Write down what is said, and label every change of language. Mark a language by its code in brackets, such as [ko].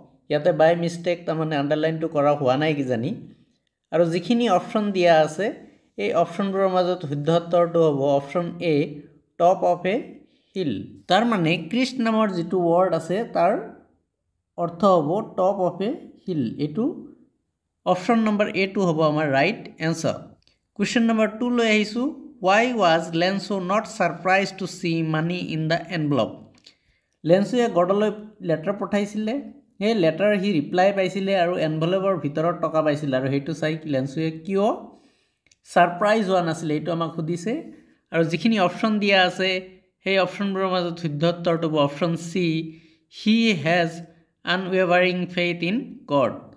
[as] ইয়াতে বাই মিষ্টেক তাৰমানে আণ্ডাৰলাইনটো কৰা হোৱা নাই কিজানি। আৰু যিখিনি অপশ্যন দিয়া আছে এই অপশ্যনবোৰৰ মাজত শুদ্ধ উত্তৰটো হ'ব option A, [en] Top of a hill. [as] তাৰমানে ক্ৰিষ্ট নামৰ যিটো ৱৰ্ড আছে তাৰ অৰ্থ হ'ব [en] Top of a hill. [as] এইটো অপশ্যন নম্বৰ এটো হ'ব আমাৰ ৰাইট এনচাৰ। কুৱেশ্যন নম্বৰ 2 লৈ আহিছোঁ। [en] Why was Lenso not surprised to see money in the envelope? [as] লেঞ্চুৱে গডলৈ letter পঠাইছিলে, সেই লেটাৰ সি ৰিপ্লাই পাইছিলে আৰু এনভলপৰ ভিতৰত টকা পাইছিলে, আৰু সেইটো চাই লেঞ্চুৱে কিয় ছাৰপ্ৰাইজ হোৱা নাছিলে এইটো আমাক সুধিছে। আৰু যিখিনি অপশ্যন দিয়া আছে সেই অপশ্যনবোৰৰ মাজত শুদ্ধ উত্তৰটো হ'ব option C, [en] He has unwavering faith in God.